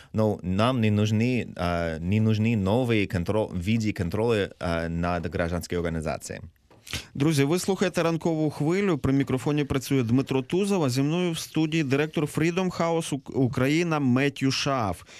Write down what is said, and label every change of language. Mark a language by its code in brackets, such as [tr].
[ru] Но нам не нужны новые виды контроля над гражданской организацией. [uk] Друзі, ви слухаєте «Ранкову хвилю». При мікрофоні працює Дмитро Тузов, а зі мною в студії директор Freedom House Україна Меттью Шаф.